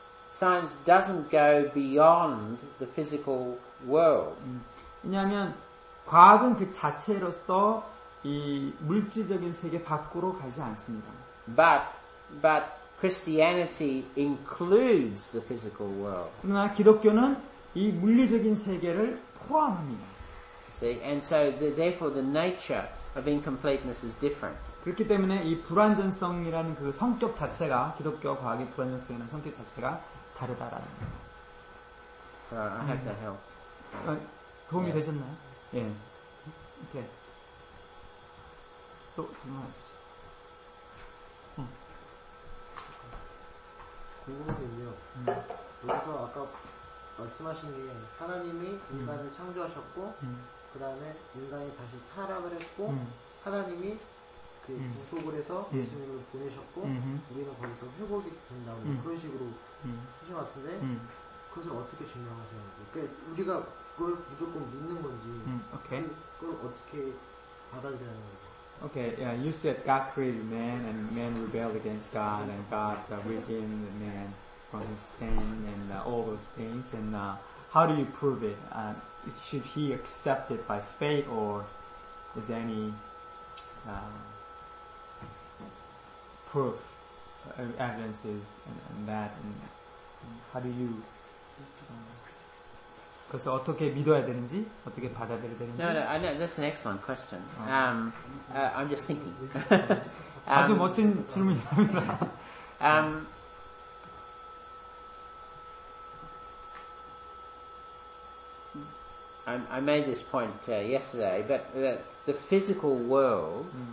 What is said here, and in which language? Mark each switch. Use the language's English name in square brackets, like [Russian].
[English] Science doesn't go beyond the physical world. [Korean] 왜냐하면 과학은 그 자체로서 이 물질적인 세계 밖으로 가지 않습니다. [English] But Christianity includes the physical world. [Korean] 그러나 기독교는 이 물리적인 세계를 포함합니다. [English] See, and so therefore the nature of incompleteness is different. [Korean] 그렇기 때문에 이 불완전성이라는 그 성격 자체가 기독교 과학의 불완전성이라는 성격 자체가 다르다라는. [English] I have to help. [Korean] 도움이 되셨나요? 예. 이렇게. 또 질문해 주세요. 궁금한 게요. 여기서 아까 말씀하신 게 하나님이 인간을 창조하셨고 그 다음에 인간이 다시 타락을 했고 하나님이 그 구속을 해서 예수님을 보내셨고 우리는 거기서 회복이 된다고 그런 식으로 하신 것 같은데 그것을 어떻게 증명하세요? 그러니까 우리가 그걸 무조건 믿는 건지 [English] okay. [Korean] 그걸 어떻게 받아들여야 하는 건지. [English] Okay, yeah, you said God created man and man rebelled against God and God redeemed the man from his sin and all those things and how do you prove it? Should he accept it by faith or is there any proof, evidences and that? And how do you... [Korean] 그래서 어떻게 믿어야 되는지 어떻게 받아들여야 되는지. [English] No, that's an excellent question. I'm just thinking. [Korean] 아주 멋진 질문입니다. [English] I made this point yesterday, but the physical world